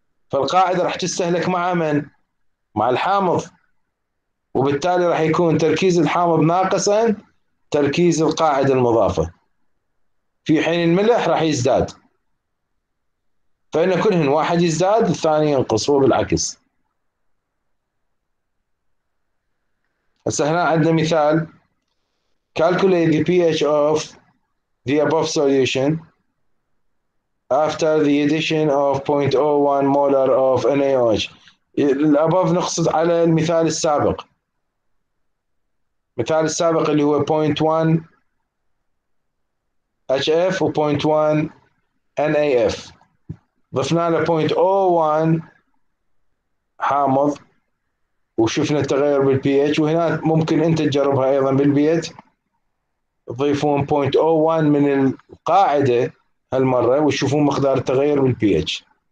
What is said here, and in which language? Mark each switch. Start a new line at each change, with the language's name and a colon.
Arabic: فالقاعدة راح تستهلك مع من؟ مع الحامض، وبالتالي راح يكون تركيز الحامض ناقصا تركيز القاعدة المضافة، في حين الملح راح يزداد، فإن كلهن واحد يزداد الثاني ينقص وبالعكس. هسه هنا عندنا مثال،
English: calculate the pH of the above solution after the addition of 0.01 molar of NaOH.
Arabic: الأبوف نقصد على المثال السابق، المثال السابق اللي هو 0.1 HF و 0.1 NaF، ضفنا له 0.01 حامض وشفنا التغير بالـ pH، وهنا ممكن أنت تجربها أيضا بالبيت، ضيفون 0.01 من القاعدة هالمرة وشوفون مقدار التغير بالـ pH.